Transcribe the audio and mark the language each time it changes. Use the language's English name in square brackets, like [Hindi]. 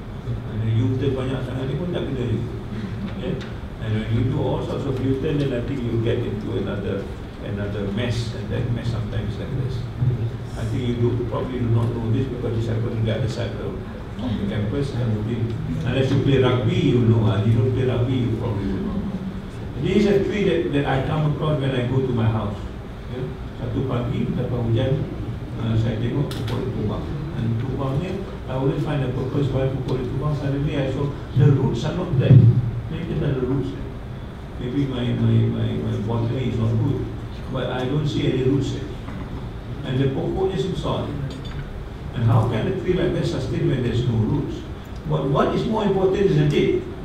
[English] And then you've done [Malay] banyak sangat ni pun tak kena ni. [English] And when you do all sorts of U-turn, then I think you get into another mess, and that mess sometimes like this. I think you probably do not know this, because this happened on the other side of the campus. And unless you play rugby, you know. If you don't play rugby, you probably will know. This is a tree that I come across when I go to my house. [Malay] Satu pagi, dapat hujan, saya tengok pokok tumbang. [English] And [Malay] tumbang ni, [English] I always find a purpose why [Malay] pokok tumbang. [English] Suddenly I saw the roots are not there. Maybe there are roots. Maybe my botany is not good. But I don't see any roots there. And the pokok is solid. And how can a tree like that sustain when there's no roots? But what is more important is the date.